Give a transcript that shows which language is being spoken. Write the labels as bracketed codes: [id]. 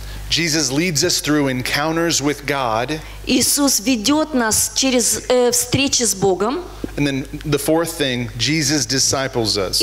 [en] Jesus leads us through encounters with God. [ru] Иисус ведет нас через встречи с Богом. [en] And then the fourth thing, Jesus disciples us.